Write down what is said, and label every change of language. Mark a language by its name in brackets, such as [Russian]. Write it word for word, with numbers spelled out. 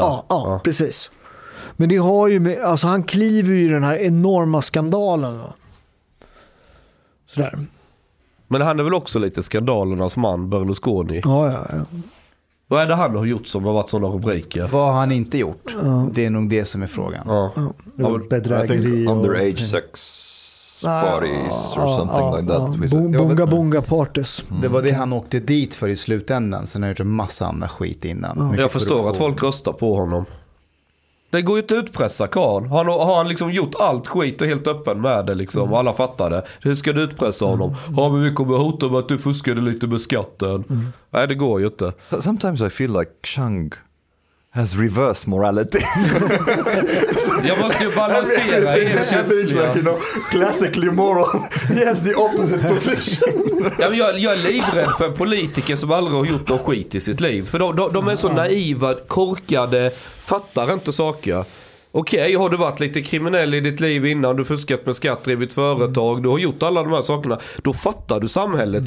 [Swedish] Ja, ja, ja, precis. Men det har ju med, alltså han kliver ju den här enorma skandalen, va? Sådär. Men han är väl också lite skandalernas man, Berlusconi. Ja, ja, ja. Vad är det han har gjort som har varit sådana rubriker? Vad har han inte gjort? Ja. Det är nog det som är frågan. Ja. Ja. Bedrägeri och... [English] underage sex parties ah, or something ah, like that. Ah, bonga, bonga bonga parties. [Swedish] Mm. Det var det han åkte dit för i slutändan. Sen har jag gjort en massa andra skit innan. Ah. Jag förstår att folk röstar på honom. Det går ju inte att utpressa Karl. Han har han liksom gjort allt skit och helt öppen med det liksom. Mm. Alla fattar det. Hur ska du utpressa honom? Mm. Ja, men vi kommer hota med att du fuskade lite med skatten. Mm. Nej, det går ju inte. [English] Sometimes I feel like Chang has reverse morality. [Swedish] Jag måste ju balansera er känsliga. [English] Like, you know, classically moral. Yes, the opposite position. [Swedish] Ja, men jag, jag är livrädd för politiker som aldrig har gjort något skit i sitt liv. För de, de, de är så naiva, korkade, fattar inte saker. Okej, okay, har du varit lite kriminell i ditt liv innan, du fuskat med skatt, drivit företag, du har gjort alla de här sakerna, då fattar du samhället.